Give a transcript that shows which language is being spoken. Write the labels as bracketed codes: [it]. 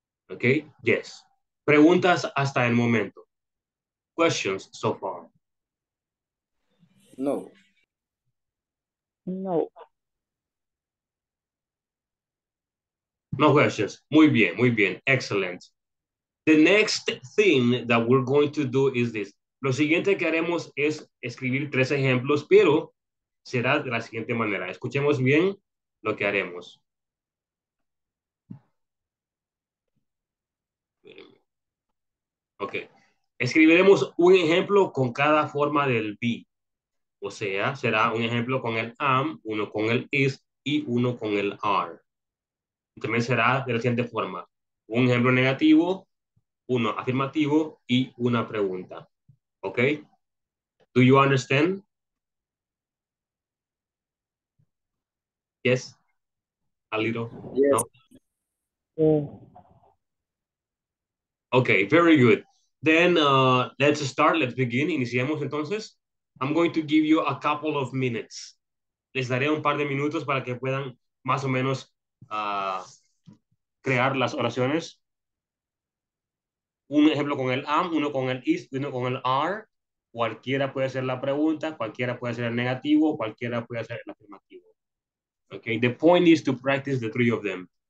[en] Okay, yes. [es] Preguntas hasta el momento. [en] Questions so far? No. No. No questions. [es] Muy bien, muy bien. [en] Excellent. The next thing that we're going to do is this. [es] Lo siguiente que haremos es escribir tres ejemplos, pero será de la siguiente manera. Escuchemos bien lo que haremos. Okay. Escribiremos un ejemplo con cada forma del be. O sea, será un ejemplo con el am, uno con el is y uno con el are. También será de la siguiente forma. Un ejemplo negativo, uno afirmativo y una pregunta. [en] ¿Ok? Do you understand? Yes? A little? Yes. No? Yeah. Ok, very good. Then let's start, let's begin. [es] Iniciemos entonces. [en] I'm going to give you a couple of minutes. [es] Les daré un par de minutos para que puedan más o menos crear las oraciones. Un ejemplo con el am, uno con el is, uno con el are. Cualquiera puede hacer la pregunta, cualquiera puede hacer el negativo, cualquiera puede hacer el afirmativo. [en] Okay, the point is to practice the three of them.